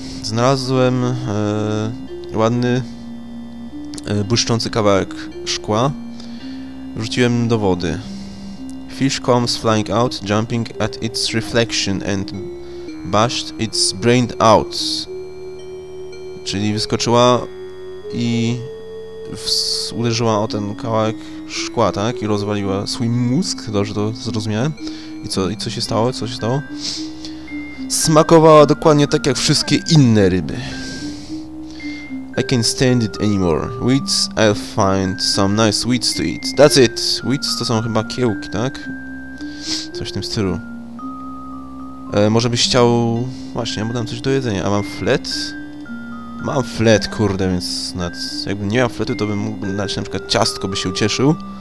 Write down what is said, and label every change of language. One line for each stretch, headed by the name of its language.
Polish: Znalazłem ładny błyszczący kawałek szkła. Wrzuciłem do wody.
English: Fish comes flying out, jumping at its reflection and bashed its brain out.
Polish: Czyli wyskoczyła i uderzyła o ten kawałek szkła, tak? I rozwaliła swój mózg, dobrze to zrozumiałem. I co się stało? Co się stało? Smakowała dokładnie tak jak wszystkie inne ryby.
English: I can't stand it anymore. Weeds, I'll find some nice weeds to eat. That's it!
Polish: Weeds to są chyba kiełki, tak? Coś w tym stylu. Może byś chciał... Właśnie, ja mu dam coś do jedzenia. A mam flet? Mam flet, kurde, więc nawet... Jakbym nie miał fletu, to bym mógł dać na przykład ciastko, by się ucieszył.